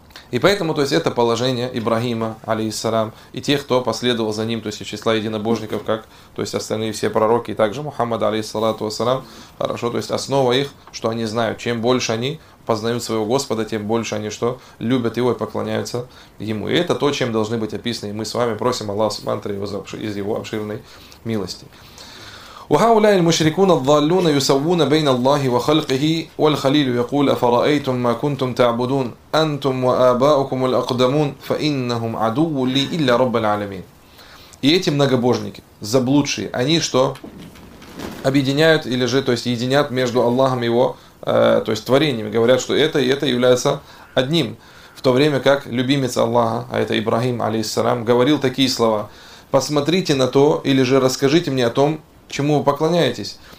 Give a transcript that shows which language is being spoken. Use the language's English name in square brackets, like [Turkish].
[Russian] И поэтому, то есть, это положение Ибрахима, алейхиссалям, и тех, кто последовал за ним, то есть, из числа единобожников, как, то есть, остальные все пророки, и также Мухаммад, алейхиссалату вассалям, хорошо, то есть, основа их, что они знают, чем больше они познают своего Господа, тем больше они, что, любят его и поклоняются ему. И это то, чем должны быть описаны, и мы с вами просим Аллаха субхана ва тааля из его обширной милости. [Arabic] وهؤلاء المشركون الضالون يسوون بين الله وخلقه والخليل يقول أفرأيتم ما كنتم تعبدون أنتم وآباؤكم الأقدمون فإنهم عدو لي إلا رب العالمين. [Russian] И эти многобожники, заблудшие, они что объединяют или же то есть единят между Аллахом и его то есть творениями, говорят, что это и это является одним, в то время как любимец Аллаха, а это Ибрахим алейхиссалям, говорил такие слова: посмотрите на то или же расскажите мне о том, чему вы поклоняетесь?